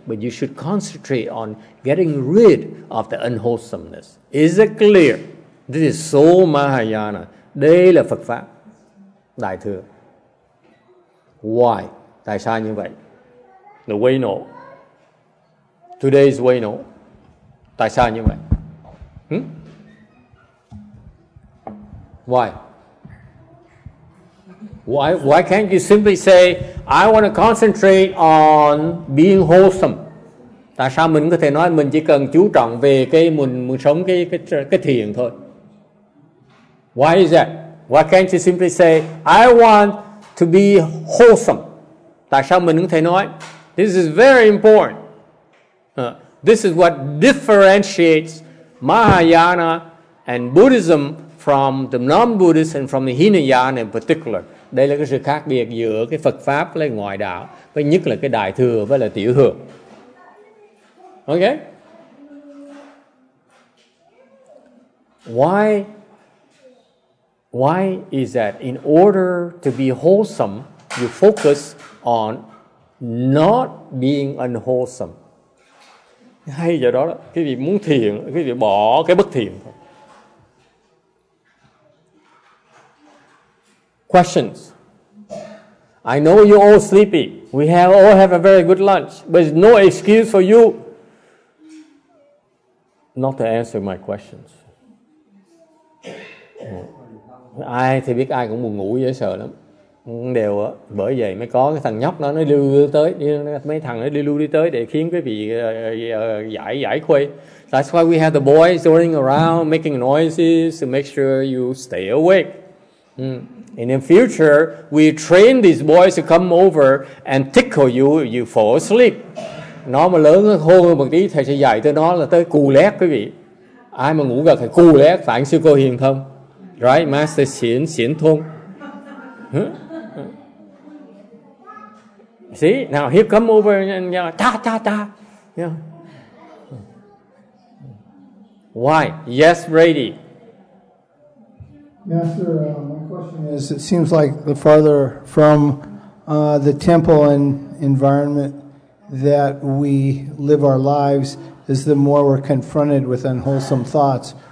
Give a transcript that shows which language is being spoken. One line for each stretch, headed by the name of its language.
English: But you should concentrate on getting rid of the unwholesomeness. Is it clear? This is so Mahayana. Đây là Phật pháp đại thừa. Why?
Vietnamese: Tại sao như vậy? The way no. Today's way no. Tại sao như vậy?
English: Why? Why can't you simply say I want to concentrate on being wholesome?
Vietnamese: Tại sao mình có thể nói mình chỉ cần chú trọng về cái mình sống cái thiện thôi?
English: Why is that? Why can't you simply say I want to be wholesome?
Vietnamese: Tại sao mình có thể nói
English: this is very important. This is what differentiates Mahayana and Buddhism from the non-Buddhist and from the Hinayana in particular.
Vietnamese: Đây là cái sự khác biệt giữa cái Phật pháp với ngoại đạo, với nhất là cái đại thừa với là tiểu thừa.
English: Okay? Why is that? In order to be wholesome, you focus on not being unwholesome.
Vietnamese: Hay giờ đó, quý vị muốn thiện, quý vị bỏ cái bất thiện.
English: Questions? I know you're all sleepy. We have all have a very good lunch, but it's no excuse for you not to answer my questions.
Vietnamese: Ai thì biết ai cũng buồn ngủ dễ sợ lắm. Đều á, bởi vậy mới có cái thằng nhóc đó, nó lưu tới, mấy thằng nó lưu đi tới để khiến quý vị giải khuây.
English: That's why we have the boys running around making noises to make sure you stay awake. In the future, we train these boys to come over and tickle you if you fall asleep.
Vietnamese: Nó mà lớn hơn một tí, thầy sẽ dạy tới nó là tới cù lét quý vị. Ai mà ngủ gật thì cù lét, phản siêu cô hiền thông.
English: Right, Master Xiển, Xiển Thông. See, now he'll come over and yell, ta, ta, ta. Why? Yes, Brady. Is, it seems like the farther from the temple and environment that we live our lives, is the more we're confronted with unwholesome thoughts.